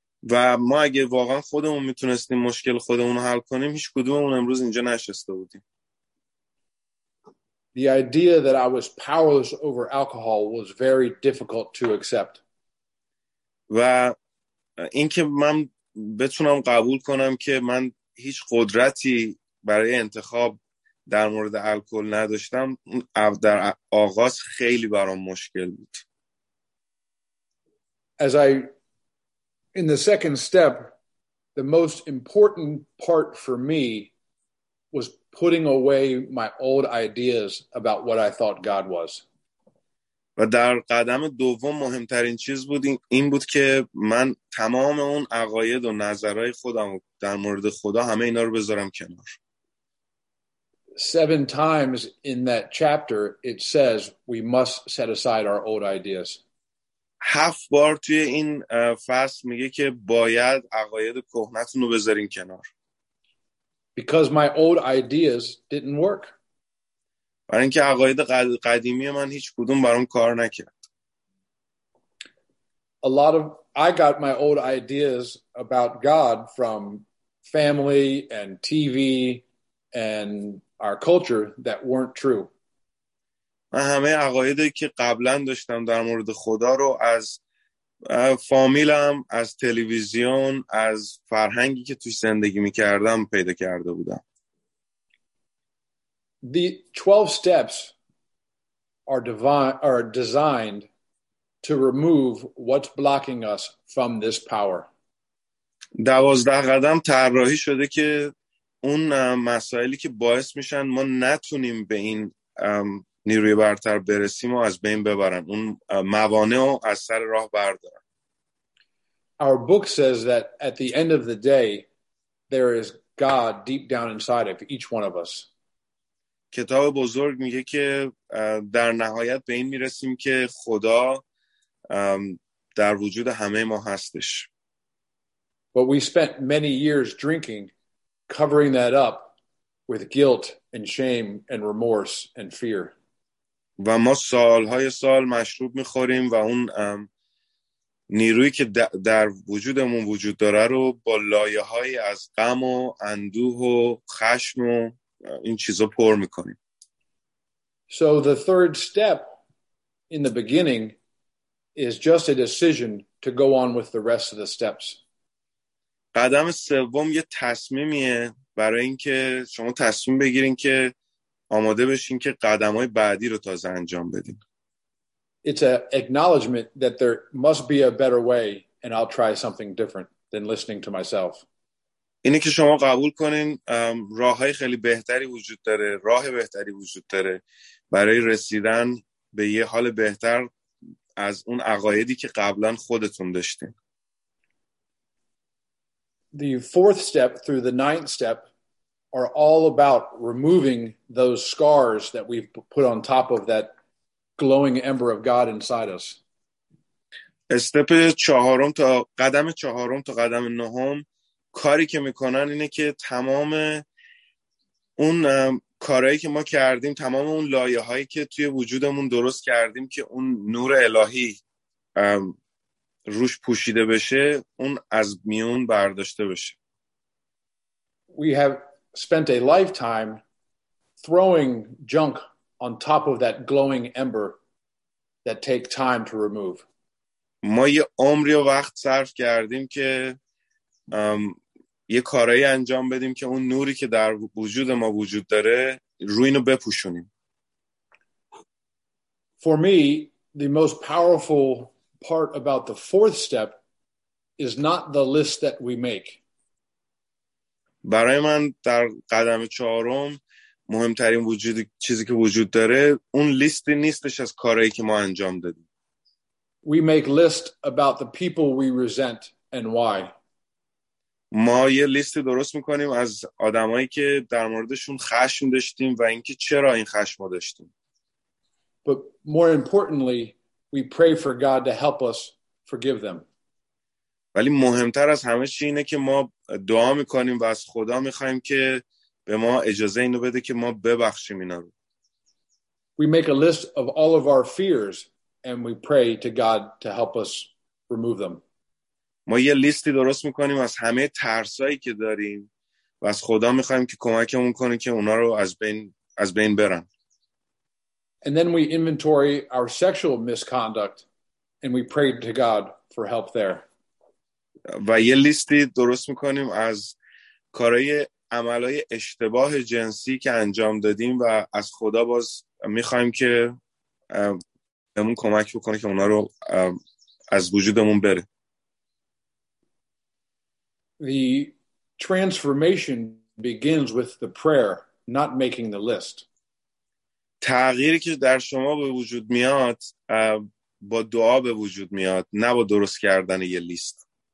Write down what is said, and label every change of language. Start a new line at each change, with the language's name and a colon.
Persian: و ما اگه واقعا خودمون میتونستیم مشکل خودمون رو حل کنیم، هیچ کدوممون امروز اینجا نشسته بودیم.
English: The idea that I was powerless over alcohol was very difficult to accept.
Persian: و اینکه من بتونم قبول کنم که من هیچ قدرتی برای انتخاب در مورد الکل نداشتم، در آغاز خیلی برام مشکل بود.
English: As I in the second step, the most important part for me was putting away my old ideas about what I thought God was.
Persian: و در قدم دوم مهمترین چیز بود این بود که من تمام اون عقاید و نظرهای خودم در مورد خدا همه اینا رو بذارم کنار.
English: 7 times in that chapter it says we must set aside our old ideas.
Persian: 7 بار توی این فصل میگه که باید عقاید کهنتون رو بذارین کنار.
English: Because my old ideas didn't work.
Persian: برای اینکه عقاید قدیمی من هیچ کدوم برام کار نکرد.
English: I got my old ideas about God from family and TV and our culture that weren't true.
Persian: من همه عقایدی که قبلا داشتم در مورد خدا رو از فامیلم، از تلویزیون، از فرهنگی که توش زندگی میکردم پیدا کرده بودم.
English: The 12 steps are designed to remove what's blocking us from this power.
Persian: 12 قدم طراحی شده که اون مسائلی که باعث میشن ما نتونیم به این نیروی برتر برسیم و از بین ببرن، اون موانع رو از سر راه بردارن.
English: Our book says that at the end of the day there is God deep down inside of each one of us.
Persian: کتاب بزرگ میگه که در نهایت به این میرسیم که خدا در وجود همه ما هستش.
English: But we spent many years drinking, covering that up with guilt and shame and remorse and fear.
Persian: و ما سالهای سال مشروب میخوریم و اون نیرویی که در وجودمون وجود داره رو با لایه‌هایی از غم و اندوه و خشم و این چیزا پر می‌کنیم.
English: So the third step in the beginning is just a decision to go on with the rest of the steps.
Persian: قدم سوم یه تصمیمیه برای اینکه شما تصمیم بگیرین که آماده بشین که قدم‌های بعدی رو تازه انجام بدین.
English: It's an acknowledgement that there must be a better way and I'll try something different than listening to myself.
Persian: اینه که شما قبول کنین راه‌های خیلی بهتری وجود داره، راه بهتری وجود داره برای رسیدن به یه حال بهتر از اون عقایدی که قبلا خودتون داشتین.
English: The fourth step through the ninth step are all about removing those scars that we've put on top of that glowing ember of God inside us.
Persian: استپ چهارم تا قدم چهارم تا قدم نهم کاری که میکنن اینه که تمام اون کارهایی که ما کردیم، تمام اون لایه هایی که توی وجودمون درست کردیم که اون نور الهی روش پوشیده بشه، اون از میون برداشته بشه.
English: We have spent a lifetime throwing junk on top of that glowing ember that take time to remove.
Persian: ما یه عمری و وقت صرف کردیم که یه کارایی انجام بدیم که اون نوری که در وجود ما وجود داره روی اینو بپوشونیم.
English: For me, the most powerful part about the fourth step is not the list that we make.
Persian: برای من در قدم چهارم مهمترین وجود چیزی که وجود داره اون لیستی نیستش از کارهایی که ما انجام دادیم.
English: We make list about the people we resent and why.
Persian: ما یه لیستی درست میکنیم از آدمایی که در موردشون خشم داشتیم و اینکه چرا این خشم رو داشتیم.
English: But more importantly, we pray for God to help us forgive them.
Persian: ولی مهمتر از همه چی اینه که ما دعا میکنیم و از خدا میخواییم که به ما اجازه اینو بده که ما ببخشیم اینا رو.
English: We make a list of all of our fears and we pray to God to help us remove them.
Persian: ما یه لیستی درست میکنیم از همه ترسایی که داریم و از خدا میخواییم که کمکمون کنه که اونا رو از بین برن.
English: And then we inventory our sexual misconduct and we pray to God for help there.
Persian: و یه لیستی درست میکنیم از کارهای عملای اشتباه جنسی که انجام دادیم و از خدا باز میخواییم که بهمون کمک بکنه که اونا رو از وجودمون بره.
English: The transformation begins with the prayer, not making the list.
Persian: تغییری که در شما به وجود میاد با دعا به وجود میاد، نه با درست کردن یه لیست.